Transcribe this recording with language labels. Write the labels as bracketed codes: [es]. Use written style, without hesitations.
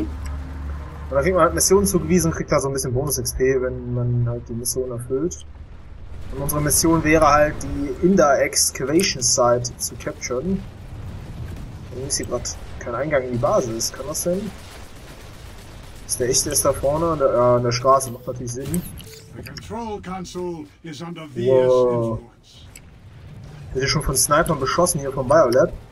[de] Und da kriegt man halt Missionen zugewiesen und kriegt da so ein bisschen Bonus-XP, wenn man halt die Mission erfüllt. Und unsere Mission wäre halt, die Inder-Excavation-Site zu capturen. Irgendwie ist hier gerade kein Eingang in die Basis. Kann das denn? Ist der echte, ist da vorne an der Straße. Macht natürlich Sinn. [en] The control console is under Veer's influence. [de] Wird hier schon von Snipern beschossen hier vom Biolab.